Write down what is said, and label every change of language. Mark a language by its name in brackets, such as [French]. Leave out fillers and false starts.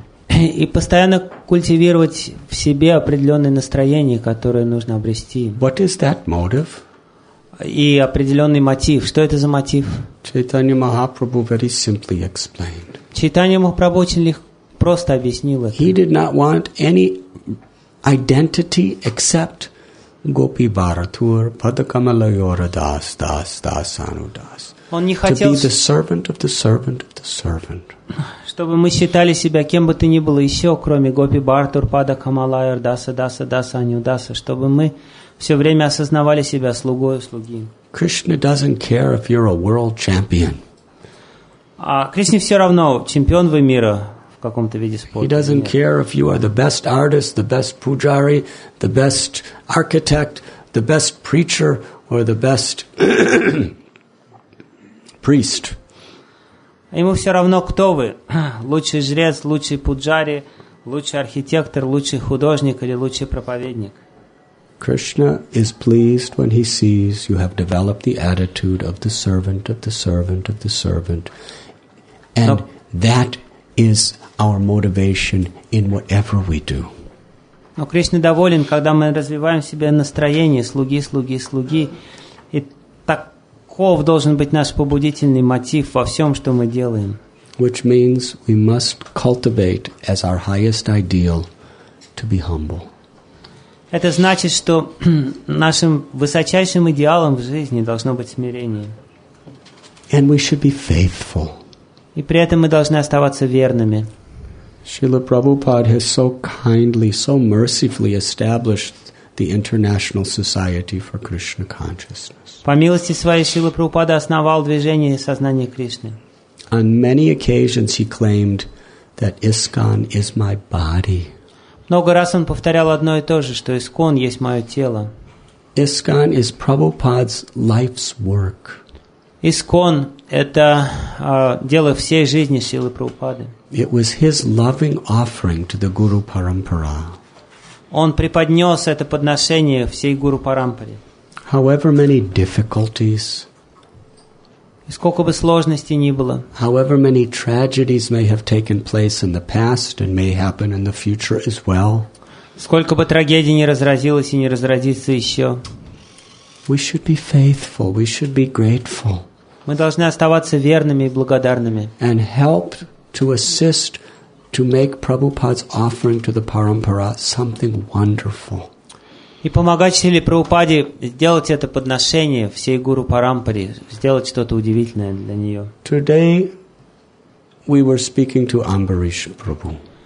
[Russian] И постоянно культивировать в себе определенные настроения, которые нужно обрести. [English] What is that motive? [Russian] И определенный мотив. Что это за мотив? [English] Чайтанья Махапрабху very simply explained. [Russian] Чайтанья Махапрабху очень просто объяснил это. [English] He did not want any identity except Gopi Bharatur Padakamalayora Das Das Das Anudas. [Russian] Он не хотел, [English] to be the servant of the servant of the servant. [Russian] Чтобы мы считали себя кем бы то ни было еще, кроме Гопи Бхартурпада Камалай Ардаса Даса Даса Анюдаса, чтобы мы все время осознавали себя слугой слуги. [English] Krishna doesn't care if you're a world champion. [Russian] А Кришне все равно, чемпион вы мира в каком-то виде спорта. [English] He doesn't care if you are the best artist, the best pujari, the best architect, the best preacher, or the best priest. [Russian] Ему все равно, кто вы: лучший жрец, лучший пуджари, лучший архитектор, лучший художник или лучший проповедник. [English] Krishna is pleased when he sees you have developed the attitude of the servant of the servant of the servant, and that is our motivation in whatever we do. [Russian] Но Кришна доволен, когда мы развиваем в себе настроение слуги, слуги, слуги. Каков должен быть наш побудительный мотив во всем, что мы делаем? [English] Which means we must cultivate as our highest ideal to be humble. [Russian] Это значит, что нашим высочайшим идеалом в жизни должно быть смирение. [English] And we should be faithful. [Russian] И при этом мы должны оставаться верными. [English] Srila Prabhupada has so kindly, so mercifully established the International Society for Krishna Consciousness. [Russian] По милости своей Шрила Прабхупада основал движение сознания Кришны. [English] On many occasions he claimed that ISKCON is my body. [Russian] Много раз он повторял одно и то же, что ISKCON есть мое тело. [English] ISKCON is Prabhupada's life's work. [Russian] ISKCON – это дело всей жизни Шрилы Прабхупады. [English] It was his loving offering to the Guru Parampara. [Russian] Он преподнес это подношение всей Гуру Парампаре. [English] However many difficulties, [Russian] сколько бы сложностей ни было, [English] however many tragedies may have taken place in the past and may happen in the future as well, [Russian] сколько бы трагедий ни разразилось и не разразится еще, [English] we should be faithful, we should be grateful. [Russian] Мы должны оставаться верными и благодарными. [English] And help to assist to make Prabhupada's offering to the Parampara something wonderful. [Russian] И помогать Шриле Прабхупаде сделать это подношение всей Гуру Парампаре, сделать что-то удивительное для нее. [English] Today we were speaking to Ambarish Prabhu.